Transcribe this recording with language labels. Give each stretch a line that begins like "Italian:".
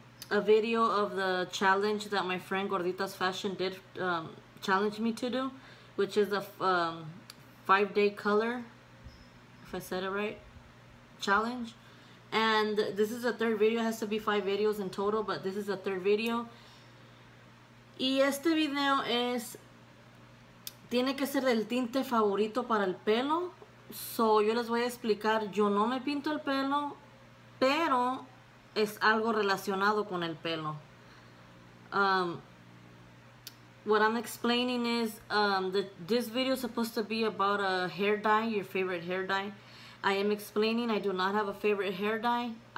English: A video of the challenge that my friend Gorditas Fashion did challenge me to do, which is a 5-day color, if I said it right, challenge. And this is the third video. It has to be 5 videos in total, but this is the third video.
Spanish: Y este video es, tiene que ser el tinte favorito para el pelo. So yo les voy a explicar, yo no me pinto el pelo, pero es algo relacionado con el pelo.
English: What I'm explaining is this video is supposed to be about a hair dye, your favorite hair dye. I am explaining I do not have a favorite hair dye.